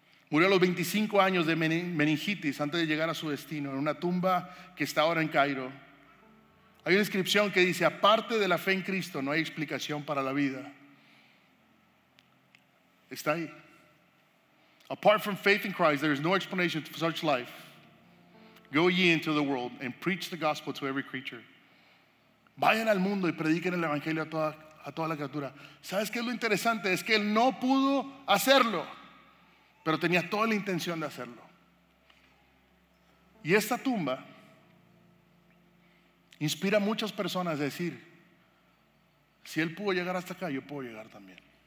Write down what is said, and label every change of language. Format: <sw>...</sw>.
<es>Murió a los 25 años de meningitis antes de llegar a su destino, en una tumba que está ahora en Cairo. Hay una inscripción que dice: aparte de la fe en Cristo, no hay explicación para la vida. Está ahí.</es> <en>Apart from faith in Christ, there is no explanation for such life. Go ye into the world and preach the gospel to every creature.</en> <es>Vayan al mundo y prediquen el evangelio a toda la criatura. ¿Sabes qué es lo interesante? Es que él no pudo hacerlo, pero tenía toda la intención de hacerlo. Y esta tumba inspira a muchas personas a decir: si él pudo llegar hasta acá, yo puedo llegar también.</es>